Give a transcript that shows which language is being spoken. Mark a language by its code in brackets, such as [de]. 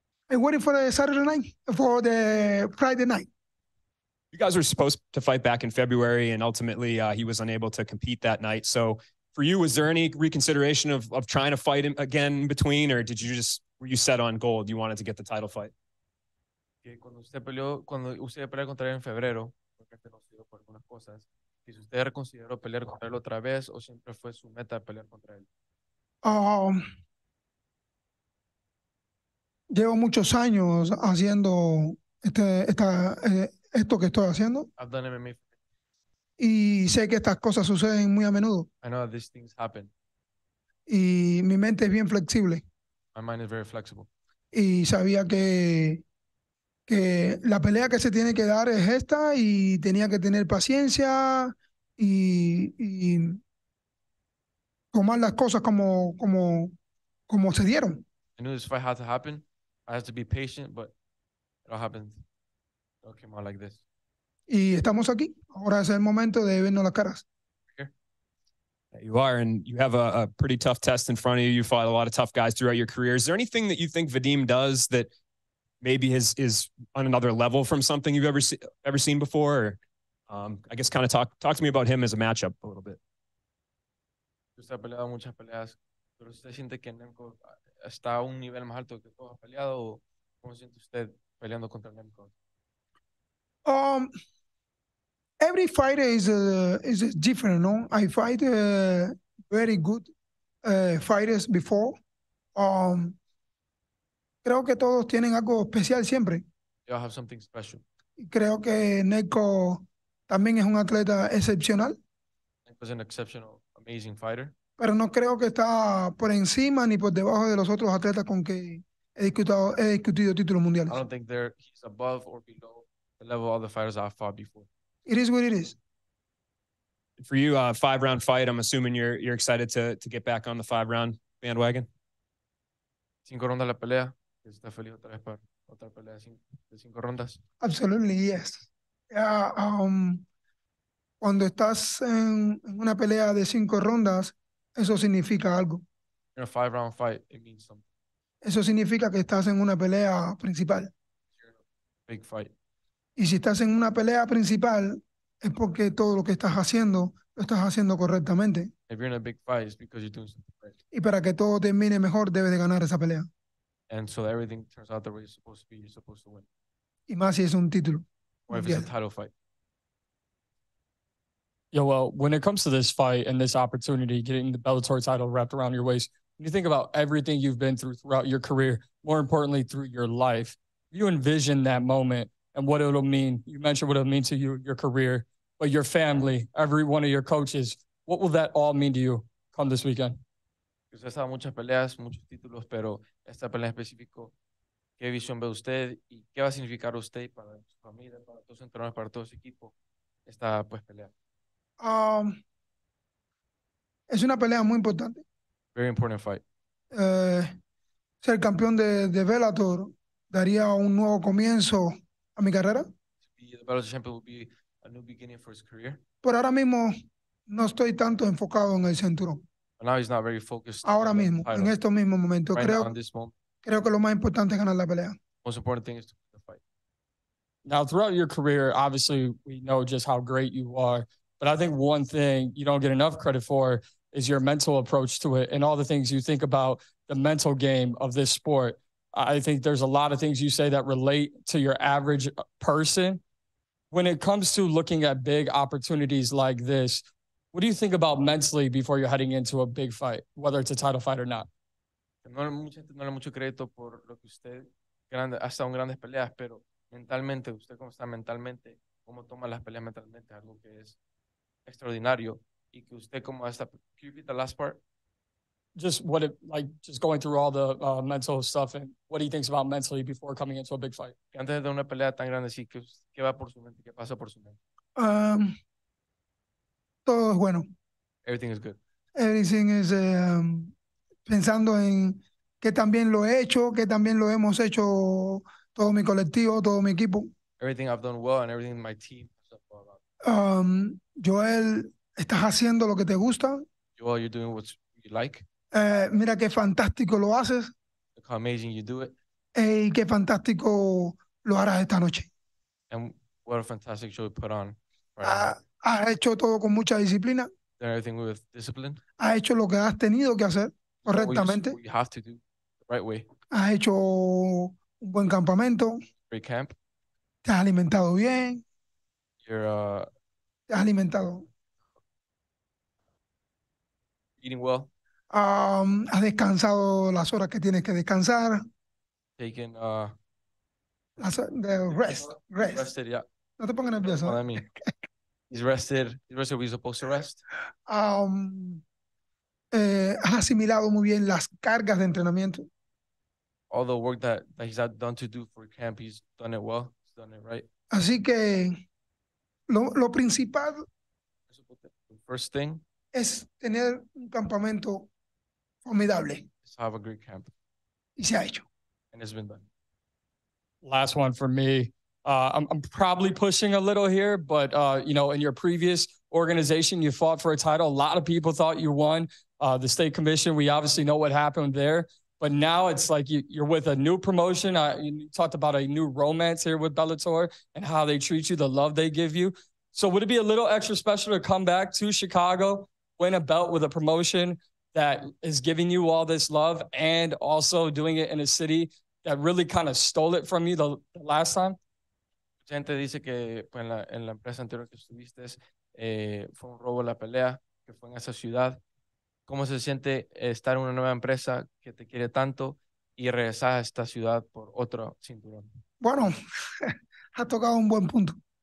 [en] I'm waiting for the Saturday night, for the Friday night. You guys were supposed to fight back in February, and ultimately he was unable to compete that night. So for you, was there any reconsideration of trying to fight him again in between, or did you just, were you set on gold? You wanted to get the title fight? [es] Cuando usted peleó, cuando usted peleó contra él en febrero, porque se nos dio por algunas cosas, si usted reconsideró pelear contra él otra vez, o siempre fue su meta pelear contra él? Llevo muchos años haciendo esto que estoy haciendo. [en] I've done MMA. [es] Y sé que estas cosas suceden muy a menudo. [en] I know that these things happen. [es] Y mi mente es bien flexible. [en] My mind is very flexible. [es] Y sabía que la pelea que se tiene que dar es esta, y tenía que tener paciencia y tomar las cosas como se dieron. [en] I knew this fight had to happen. I had to be patient, but it all happened. Okay, more like this. [es] Y estamos aquí. Ahora es el momento de vernos las caras. [en] Here. You are, and you have a pretty tough test in front of you. You fought a lot of tough guys throughout your career. Is there anything that you think Vadim does that maybe is on another level from something you've ever seen before? I guess kind of talk to me about him as a matchup a little bit. [es] Usted ha peleado muchas peleas, pero usted siente que Nemco está a un nivel más alto que todos ha peleado. ¿Cómo siente usted peleando contra Nemco? [en] Every fighter is different, no? I fight very good fighters before, [es] Creo que todos tienen algo especial siempre. [en] They all have something special. [es] Creo que Neko también es un atleta excepcional. [en] Neko is an exceptional, amazing fighter. [es] Pero no creo que está por encima ni por debajo de los otros atletas con que he discutido títulos mundiales. [en] I don't think he's above or below the level of the fighters I've fought before. It is what it is. For you, a five-round fight, I'm assuming you're excited to get back on the five-round bandwagon. [es] Cinco rondas la pelea. Está feliz otra vez para otra pelea de cinco rondas. [en] Absolutely, yes. [es] Yeah, cuando estás en una pelea de cinco rondas, eso significa algo. [en] In a five-round fight, it means something. [es] Eso significa que estás en una pelea principal. [en] Big fight. [es] Y si estás en una pelea principal, es porque todo lo que estás haciendo, lo estás haciendo correctamente. [en] If you're in a big fight, it's because you're doing something right. [es] Y para que todo termine mejor, debes de ganar esa pelea. [en] And so everything turns out the way it's supposed to be, you're supposed to win. [es] Y más si es un título. [en] Or if it's a title fight. Yeah, well, when it comes to this fight and this opportunity, getting the Bellator title wrapped around your waist, when you think about everything you've been through throughout your career, more importantly, through your life, you envision that moment and what it'll mean. You mentioned what it'll mean to you, your career, but your family, every one of your coaches, what will that all mean to you come this weekend? [es] Usted sabe muchas peleas, muchos títulos, pero esta pelea en específico, ¿qué visión ve usted y qué va a significar usted para su familia, para todos los entrenadores, para todo su equipo, esta pues pelea? Es una pelea muy importante. [en] Very important fight. [es] Ser campeón de Bellator daría un nuevo comienzo a mi carrera. [en] To be the Bellator champion will be a new beginning for his career. [es] Por ahora mismo no estoy tanto enfocado en el cinturón. [en] And now he's not very focused. [es] Ahora mismo, en estos mismos momentos, [en] right [es] creo, [en] now, in this moment. [es] Creo que lo más importante es ganar la pelea. [en] Most important thing is to win the fight. Now, throughout your career, obviously, we know just how great you are. But I think one thing you don't get enough credit for is your mental approach to it and all the things you think about the mental game of this sport. I think there's a lot of things you say that relate to your average person. When it comes to looking at big opportunities like this, what do you think about mentally before you're heading into a big fight, whether it's a title fight or not? [es] No le mucho crédito por lo que usted grande hasta un grandes peleas, pero mentalmente usted cómo está mentalmente, cómo toma las peleas mentalmente, algo que es extraordinario y que usted cómo está. [en] Can you repeat the last part? Just what it like, just going through all the mental stuff and what he thinks about mentally before coming into a big fight. [es] Antes de una pelea tan grande, sí, qué va por su mente, qué pasa por su mente. Todo es bueno. [en] Everything is good. Everything is [es] pensando en que también lo he hecho, que también lo hemos hecho todo mi colectivo, todo mi equipo. [en] Everything I've done well and everything my team has done well. [es] Joel, estás haciendo lo que te gusta. [en] Joel, you're doing what you like. [es] Mira qué fantástico lo haces. [en] Look how amazing you do it. [es] Y qué fantástico lo harás esta noche. [en] And what a fantastic show you put on. [es] Ha hecho todo con mucha disciplina. [en] Everything with discipline. [es] Ha hecho lo que has tenido que hacer correctamente. [en] What you have to do the right way. [es] Ha hecho un buen campamento. [en] Great camp. [es] Te has alimentado bien. [en] You're, [es] te has alimentado. [en] Eating well. [es] Has descansado las horas que tienes que descansar. [en] Taken rest. Rested, yeah. [es] No te pongas nervioso. [en] He's rested where he's supposed to rest. [es] Has asimilado muy bien las cargas de entrenamiento. [en] All the work that he's had done to do for camp, he's done it well. He's done it right. [es] Así que lo principal, [en] the first thing, [es] es tener un campamento formidable. [en] Is to have a great camp. [es] Y se ha hecho. [en] And it's been done. Last one for me. I'm probably pushing a little here, but, you know, in your previous organization, you fought for a title. A lot of people thought you won the state commission. We obviously know what happened there. But now it's like you're with a new promotion. You talked about a new romance here with Bellator and how they treat you, the love they give you. So would it be a little extra special to come back to Chicago, win a belt with a promotion that is giving you all this love and also doing it in a city that really kind of stole it from you the last time? [es] Gente dice que pues, en la empresa anterior que estuviste fue un robo la pelea, que fue en esa ciudad. ¿Cómo se siente estar en una nueva empresa que te quiere tanto y regresar a esta ciudad por otro cinturón? Bueno, ha tocado un buen punto.